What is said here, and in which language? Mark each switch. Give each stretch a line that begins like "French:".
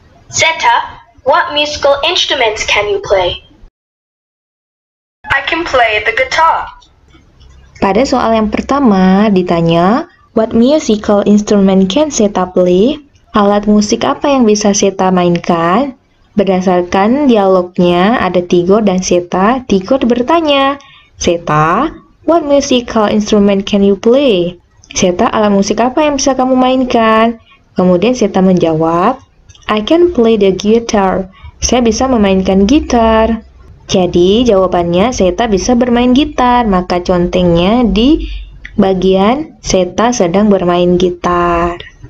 English: Zeta, what musical instruments can you play? I can play the guitar.
Indonesian: Pada soal yang pertama ditanya,
English: what musical instrument can Zeta play?
Indonesian: Alat musik apa yang bisa Zeta mainkan? Berdasarkan dialognya, ada Tigor dan Zeta. Tigor bertanya, Zeta,
English: what musical instrument can you play?
Indonesian: Zeta, alat musik apa yang bisa kamu mainkan? Kemudian Zeta menjawab,
English: I can play the guitar.
Indonesian: Saya bisa memainkan gitar. Jadi, jawabannya Zeta bisa bermain gitar. Maka contengnya di bagian Zeta sedang bermain gitar.